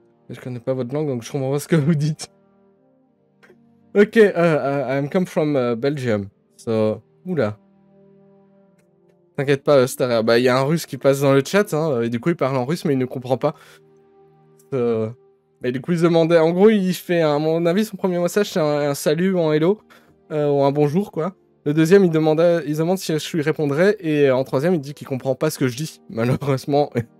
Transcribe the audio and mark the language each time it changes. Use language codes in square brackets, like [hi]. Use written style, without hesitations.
[fr] Je connais pas votre langue, donc je comprends pas ce que vous dites. [en] Okay, I'm come from Belgium, so... [fr] Oula. T'inquiète pas, Star. Bah, y a un russe qui passe dans le chat, hein, et du coup, il parle en russe, mais il ne comprend pas. Et du coup, il se demandait... En gros, il fait, à mon avis, son premier message, c'est un salut en hello, ou un bonjour, quoi. Le deuxième, il se demande si je lui répondrais, et en troisième, il dit qu'il comprend pas ce que je dis, malheureusement.